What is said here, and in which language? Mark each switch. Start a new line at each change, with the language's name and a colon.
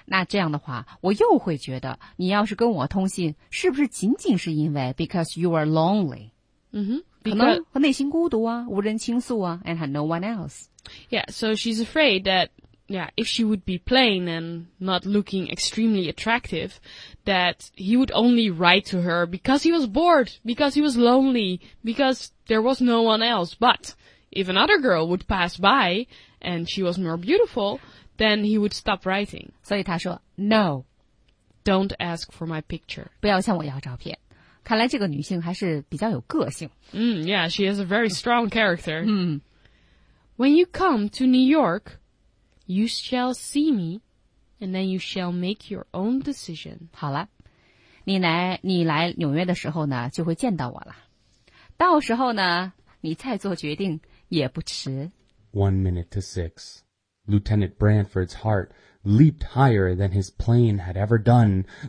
Chinese: 那这样的话，我又会觉得你要是跟我通信，是不是仅仅是因为
English: because you are lonely?
Chinese: 嗯哼，可能和内心孤独啊，无人倾诉啊 ，
English: and had no one else. Yeah, so she's afraid that yeah, if she would be plain and not looking extremely attractive, that he would only write to her because he was bored, because he was lonely, because there was no one else. But if another girl would pass by. And she was more beautiful, then he would stop writing.
Chinese: 所以他说 ,
English: no, don't ask for my picture.
Chinese: 不要向我要照片。看来这个女性还是比较有个性。
English: Yeah, she has a very strong character. When you come to New York, you shall see me, and then you shall make your own decision.
Chinese: 好了。你来纽约的时候呢就会见到我了。到时候呢你再做决定也不迟。
English: 1:06. Lieutenant Branford's heart leaped higher than his plane had ever done.